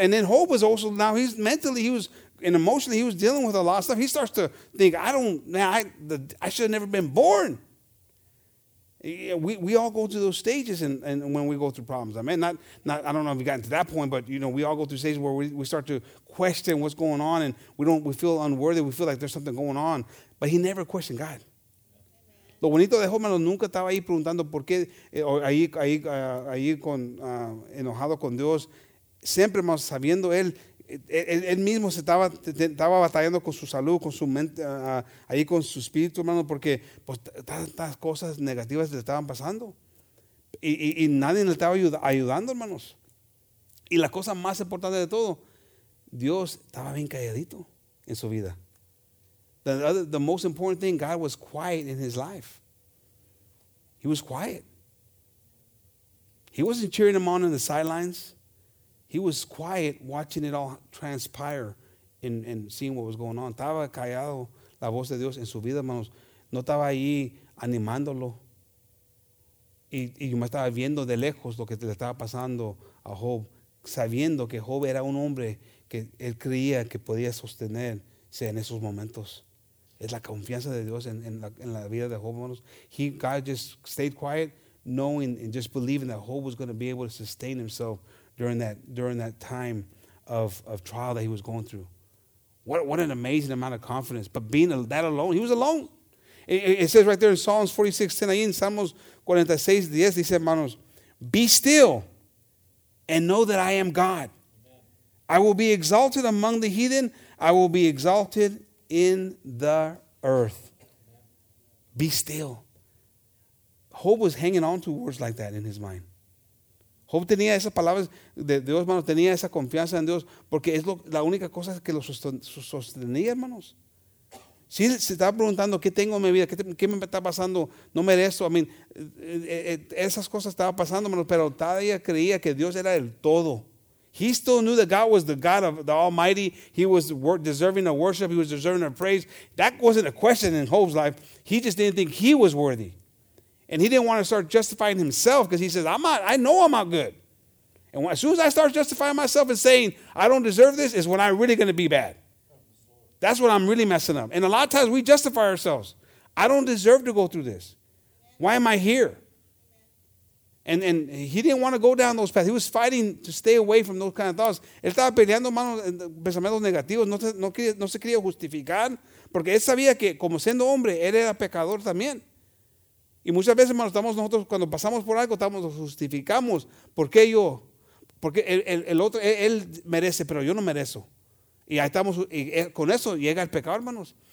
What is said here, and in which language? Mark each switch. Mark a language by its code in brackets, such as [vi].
[en] And then Hope was also now he's mentally, he was, and emotionally, he was dealing with a lot of stuff. He starts to think, I should have never been born. We all go through those stages and when we go through problems. Amen. Not I don't know if we've gotten to that point, but you know, we all go through stages where we start to question what's going on and we feel unworthy, we feel like there's something going on. But he never questioned God. [es] Lo bonito de Jómano nunca estaba ahí preguntando por qué, o ahí con enojado con Dios. Siempre más sabiendo él mismo se estaba batallando con su salud, con su mente, ahí con su espíritu, hermano, porque pues tantas cosas negativas le estaban pasando. Y nadie le estaba ayudando, hermanos. Y la cosa más importante de todo, Dios estaba bien calladito en su vida. [en] The most important thing, God was quiet in his life. He was quiet. He wasn't cheering him on the sidelines. He was quiet watching it all transpire and seeing what was going on. [es] Estaba callado la voz de Dios en su vida, hermanos. No estaba ahí animándolo. Y me estaba viendo de lejos lo que le estaba pasando a Job, sabiendo que Job era un hombre que él creía que podía sostenerse en esos momentos. Es la confianza de Dios en la vida de Job, hermanos. [en] God just stayed quiet, knowing and just believing that Job was going to be able to sustain himself during that time of trial that he was going through. What an amazing amount of confidence. But being that alone, he was alone. It says right there in Psalms 46:10, [es] ahí en Salmos 46:10, dice, hermanos, [en] be still and know that I am God. I will be exalted among the heathen. I will be exalted in the earth. Be still. Job was hanging on to words like that in his mind. [es] Job tenía esas palabras de Dios, hermano, tenía esa confianza en Dios, porque es la única cosa que lo sostenía, hermanos. Si se estaba preguntando, ¿qué tengo en mi vida? ¿Qué me está pasando? No merezco. [en] I mean, [es] esas cosas estaban pasando, hermanos, pero todavía creía que Dios era el todo. [en] He still knew that God was the God of the Almighty. He was deserving of worship. He was deserving of praise. That wasn't a question in Job's life. He just didn't think he was worthy. And he didn't want to start justifying himself because he says, I know I'm not good. And as soon as I start justifying myself and saying, I don't deserve this, is when I'm really going to be bad. That's when I'm really messing up. And a lot of times we justify ourselves. I don't deserve to go through this. Why am I here? And he didn't want to go down those paths. He was fighting to stay away from those kind of thoughts. [es] Él estaba peleando, hermano, pensamientos negativos. No se quería justificar. Porque él sabía que, como siendo hombre, él era pecador también. Y muchas veces, hermano, estamos nosotros, cuando pasamos por algo, nos justificamos. ¿Por qué yo? Porque el otro, él merece, pero yo no merezco. Y ahí estamos, y con eso llega el pecado, hermanos.